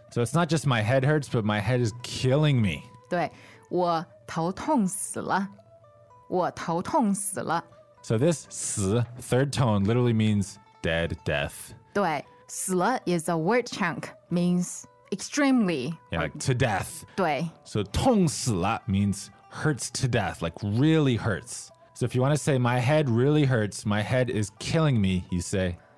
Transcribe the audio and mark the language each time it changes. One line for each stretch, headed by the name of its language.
English: So it's not just my head hurts, but my head is killing me.
Chinese: 对,我头痛死了。我头痛死了。
English: So this 死, third tone, literally means dead, death.
Chinese: 对,死了
English: is a word chunk, means extremely. Yeah, like to death.
Chinese: 对。So
English: 痛死了 means hurts to death, like really hurts. So if you want to say my head really hurts, my head is killing me, you say